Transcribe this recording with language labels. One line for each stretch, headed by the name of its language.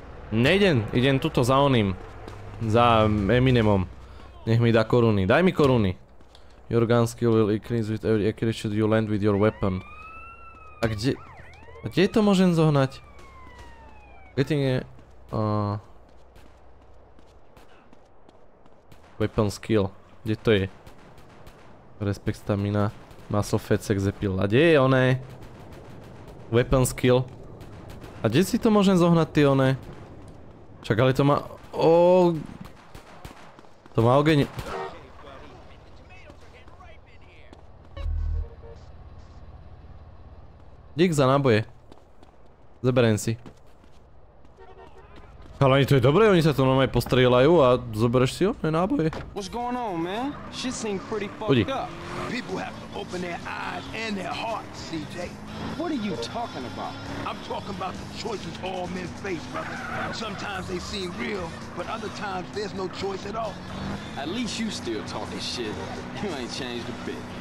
Slovak: Nejdem, idem tuto za oným. Za Eminemom. Nech mi dá koruny. Daj mi koruny.
English: Your gun skill will increase with every accuracy you land with your weapon.
Slovak: A kde... A kde to môžem zohnať?
English: Getting a... Weapon skill.
Slovak: Kde to je?
English: Respect stamina. Muscle fat sex appeal.
Slovak: A kde je oné?
English: Weapon skill.
Slovak: A kde si to môžem zohnať ty oné? Čak ale to má... Oh... To má ogeň... Dík za náboje. Zeberiem si. Ale oni to je dobré, oni sa to normálne postrieľajú a zoberieš si ho, ne náboje.
English: What's going on, man? She seemed pretty fucked up. People have to open their eyes and their hearts, CJ. What are you talking about? I'm talking about the choices all men face, brother. Sometimes they seem real, but other times there's no choice at all. At least you still talking shit. You ain't changed a bit.